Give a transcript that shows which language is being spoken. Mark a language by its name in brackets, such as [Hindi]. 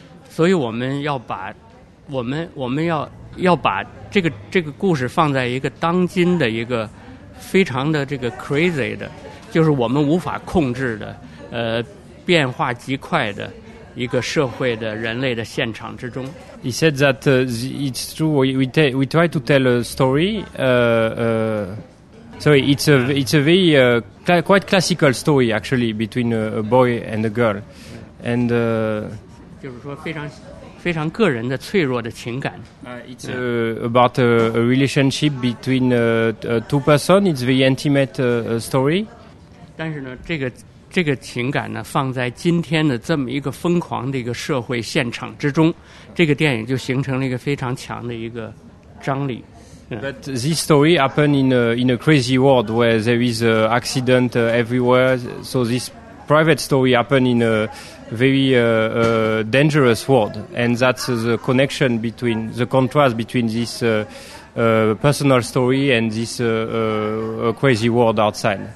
[Chinese] 所以我们要把我们要把这个故事放在一个当今的一个非常的这个 crazy 的。就是我们无法控制的变化极快的一个社会的人类的现场之中。 [English] He said that it's true, we try to tell a story, sorry, it's a very quite classical story actually between a boy and a girl. And [Chinese] 就是说非常非常个人的脆弱的情感。 [English] It's about a relationship between two persons, it's a very intimate story. [Chinese] 但是呢，这个情感呢，放在今天的这么一个疯狂的一个社会现场之中，这个电影就形成了一个非常强的一个张力。 [English] But this story happened in a crazy world where there is an accident everywhere. So this private story happened in a very dangerous world, and that's the connection between the contrast between this personal story and this crazy world outside.